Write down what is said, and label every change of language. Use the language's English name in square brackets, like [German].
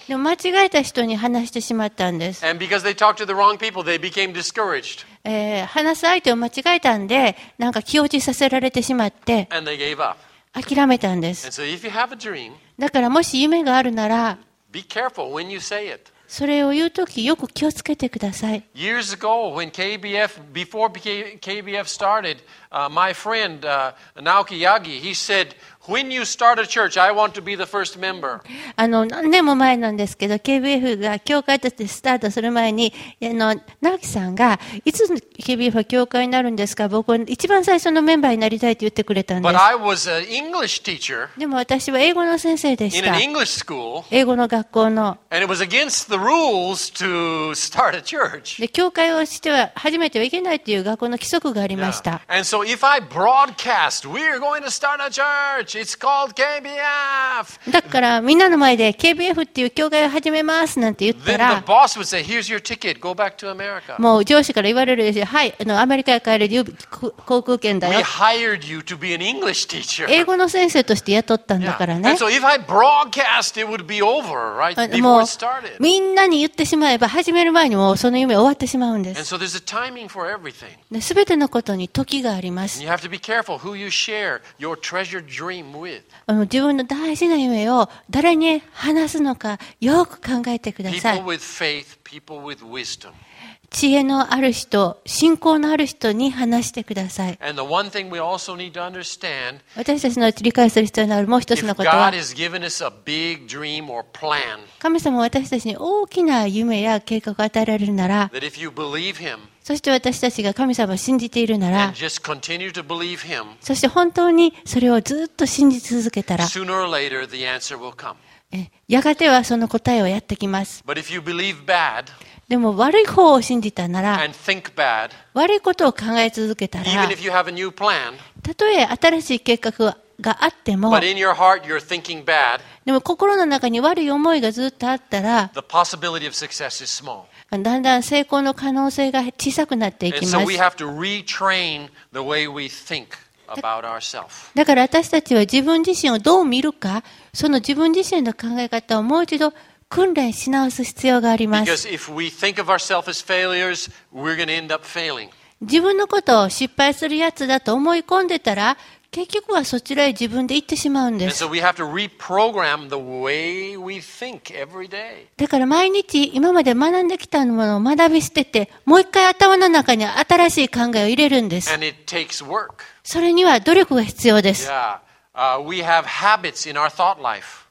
[Japanese] でも間違えた人に話してしまったんです。 [English] And because they talked to the wrong people, they became discouraged. [Japanese] 話す相手を間違えたんでなんか気落ちさせられてしまって [English] And they gave up. [Japanese] 諦めたんです。 [English] And so if you have a dream, [Japanese] だからもし夢があるなら [English] be careful when you say it [Japanese] それを言うときよく気をつけてください。 [English] Years ago, when KBF, before KBF started, my friend, Naoki Yagi, he said, When you start a church, I want to be the first member. [Japanese] 何年も前なんですけど、KBF が教会としてスタートする前に、直樹さんが、いつ KBF は教会になるんですか？僕は一番最初のメンバーになりたいと言ってくれたんです。 [English] But I was an English teacher. [Japanese] でも私は英語の先生でした。 [English] In an English school. [Japanese] 英語の学校の。 [English] And it was against the rules to start a church. [Japanese] で、教会をしては始めてはいけないという学校の規則がありました。 [English] Yeah. And so if I broadcast, we're going to start a church. It's called KBF. [Japanese] だからみんなの前で KBF っていう教会を始めますなんて言ったら、 [English] Then the boss would say, "Here's your ticket. Go back to America." [Japanese] もう上司から言われるでしょ。はい、アメリカへ帰る航空券だよ。 [English] We hired you to be an English teacher. [Japanese] 英語の先生として雇ったんだからね。 [English] Yeah. And so if I broadcast, it would be over, right? Before it started. [Japanese] みんなに言ってしまえば始める前にもその夢終わってしまうんです。 [English] And so there's a timing for everything. [Japanese] で、全てのことに時があります。 [English] And you have to be careful who you share your treasured dream. [Japanese] 自分の大事な夢を誰に話すのかよく考えてください。 [English] People with faith, people with wisdom. [Japanese] 知恵のある人、信仰のある人に話してください。 [English] And the one thing we also need to understand, [Japanese] 私たちの理解する必要のあるもう一つのことは、 [English] If God has given us a big dream or plan, [Japanese] 神様は私たちに大きな夢や計画を与えられるなら、 [English] that if you believe him, [Japanese] そして私たちが神様を信じているなら、 [English] him, [Japanese] そして本当にそれをずっと信じ続けたら、 [English] later, [Japanese] やがてはその答えはやってきます。 [English] Bad, [Japanese] でも悪い方を信じたなら、 [English] bad, [Japanese] 悪いことを考え続けたら、たとえ新しい計画があっても、 [English] but in your heart, you're thinking bad, [Japanese] でも心の中に悪い思いがずっとあったら、 [English] the possibility of success is small. [Japanese] だんだん成功の可能性が小さくなっていきます。 [English] And so we have to retrain the way we think about ourselves. [Japanese] だから私たちは自分自身をどう見るか、その自分自身の考え方をもう一度訓練し直す必要があります。 [English] Because if we think of ourselves as failures, we're going to end up failing. [Japanese] 自分のことを失敗するやつだと思い込んでたら、結局はそちらへ自分で行ってしまうんです。 [English] And so we have to reprogram the way we think every day. [Japanese] だから毎日今まで学んできたものを学び捨てて、もう一回頭の中に新しい考えを入れるんです。 [English] And it takes work. [Japanese] それには努力が必要です。 [English] Yeah. We have habits in our thought life.